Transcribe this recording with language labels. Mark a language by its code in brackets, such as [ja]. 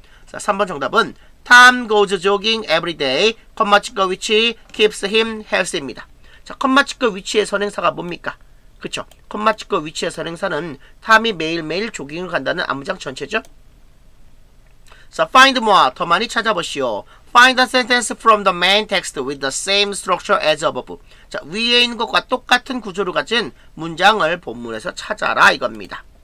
[ko] 자, 3번 정답은 [en] Tom goes jogging every day, [ko] 콤마 찍고 위치, [en] keeps him healthy입니다. [ko] 자, 콤마 찍고 위치의 선행사가 뭡니까? 그쵸. 콤마 찍고 위치의 선행사는 Tom이 매일매일 조깅을 간다는 앞문장 전체죠. 자, [en] find more, [ko] 더 많이 찾아보시오. [en] Find a sentence from the main text with the same structure as above. [ko] 자, 위에 있는 것과 똑같은 구조를 가진 문장을 본문에서 찾아라 이겁니다.